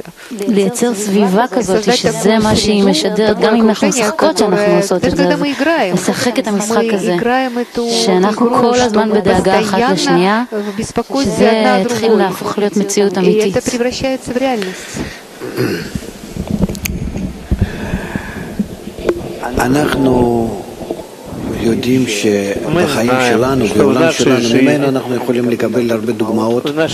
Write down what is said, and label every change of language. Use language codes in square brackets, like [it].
[he] לייצר סביבה כזאת, שזה מה שהיא משדרת, גם אם אנחנו משחקות שאנחנו עושות את זה, לשחק את המשחק הזה, שאנחנו כל הזמן בדאגה אחת לשנייה, שזה התחיל להפוך להיות מצוין. [ru] И это превращается в реальность. [he] יודעים שבחיים שלנו, בעולם שלנו, ממנו אנחנו יכולים לקבל הרבה דוגמאות